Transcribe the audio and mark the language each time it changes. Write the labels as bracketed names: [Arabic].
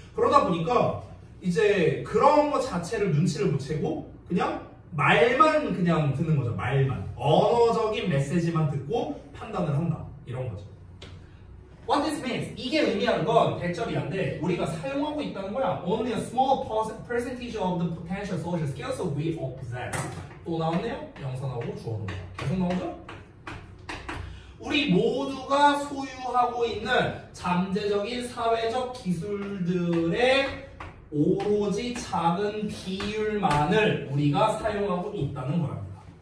[Korean] 그러다 보니까 이제 그런 거 자체를 눈치를 못 채고 그냥 말만 그냥 듣는 거죠. 말만. 언어적인 메시지만 듣고 판단을 한다. 이런 거죠. [English] What this means? [Korean] 이게 의미하는 건 100절이란데 우리가 사용하고 있다는 거야. [English] Only a small percentage of the potential social skills we all possess. [Korean] 또 나오네요. 명사나오고 주어로 계속 나오죠? 우리 모두가 소유하고 있는 잠재적인 사회적 기술들의 오로지 작은 비율만을 우리가 사용하고 있다는 거랍니다.